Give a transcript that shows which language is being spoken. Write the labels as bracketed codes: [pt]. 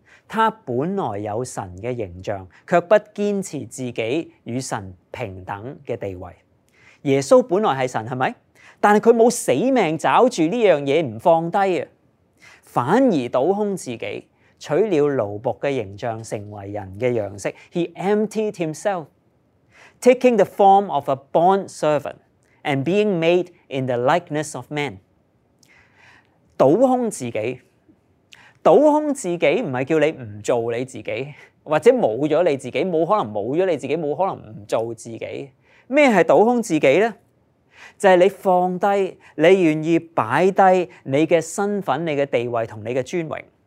[zh] 他本来有神的形象，却不坚持自己与神平等的地位。耶稣本来是神，是不是？但是他没有死命找住这件事不放低，反而倒空自己，取了奴仆的形象，成为人的样式。 [en] He emptied himself, taking the form of a bond servant and being made in the likeness of man. [zh] 倒空自己，倒空自己不是叫你不做你自己，或者冇咗你自己，冇可能冇咗你自己，冇可能不做自己。咩是倒空自己呢？就是你放低，你愿意摆低你的身份、你的地位和你的尊荣。